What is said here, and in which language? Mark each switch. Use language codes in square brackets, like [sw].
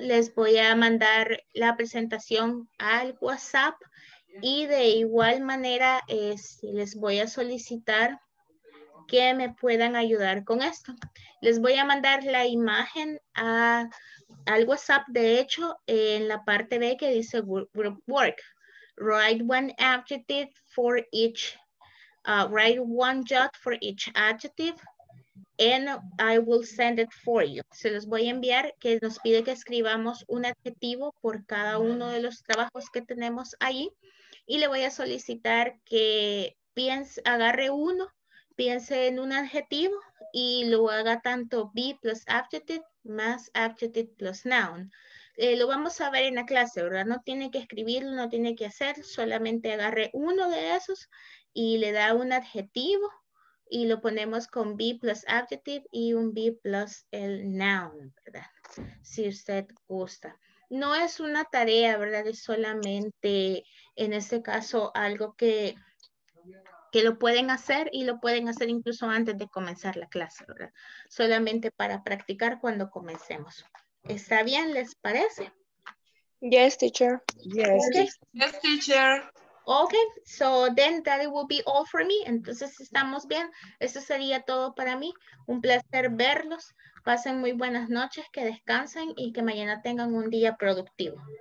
[es] Les voy a mandar la presentación al WhatsApp. Y de igual manera les voy a solicitar que me puedan ayudar con esto. Les voy a mandar la imagen al WhatsApp, de hecho, en la parte B que dice group work. [en] Write one adjective for each, write one jot for each adjective, and I will send it for you. [es] Se los voy a enviar, que nos pide que escribamos un adjetivo por cada uno de los trabajos que tenemos ahí, y le voy a solicitar que piense, agarre uno, piense en un adjetivo y lo haga tanto be plus adjective más adjective plus noun. Lo vamos a ver en la clase, ¿verdad? No tiene que escribirlo, no tiene que hacer, solamente agarre uno de esos y le da un adjetivo y lo ponemos con be plus adjective y un be plus el noun, ¿verdad? Si usted gusta. No es una tarea, ¿verdad? Es solamente, en este caso, algo que lo pueden hacer, y lo pueden hacer incluso antes de comenzar la clase, ¿verdad? Solamente para practicar cuando comencemos. ¿Está bien? ¿Les parece? [en] Yes, teacher. Yes, okay. Yes, teacher. Ok, so then that will be all for me. [es] Entonces, estamos bien. Eso sería todo para mí. Un placer verlos. Pasen muy buenas noches, que descansen y que mañana tengan un día productivo.